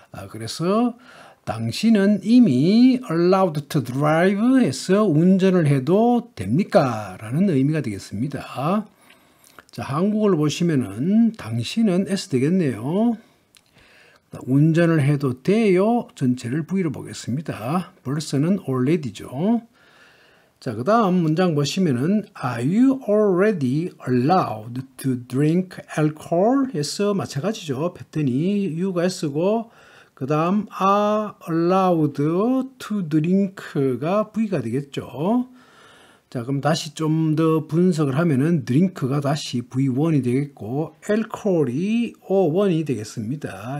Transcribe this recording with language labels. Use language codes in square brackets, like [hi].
[ko] 그래서 당신은 이미 [en] allowed to drive [ko] 해서 운전을 해도 됩니까? 라는 의미가 되겠습니다. 자, 한국어를 보시면은 당신은 S 되겠네요. 운전을 해도 돼요? 전체를 V로 보겠습니다. 벌써는 already죠. 자, 그 다음 문장 보시면은 [en] Are you already allowed to drink alcohol? [ko] 해서 마찬가지죠. 패턴이 U가 S고 그 다음 [en] are allowed to drink [ko] 가 V가 되겠죠. 자, 그럼 다시 좀 더 분석을 하면은 drink가 다시 V1이 되겠고 alcohol이 O1이 되겠습니다.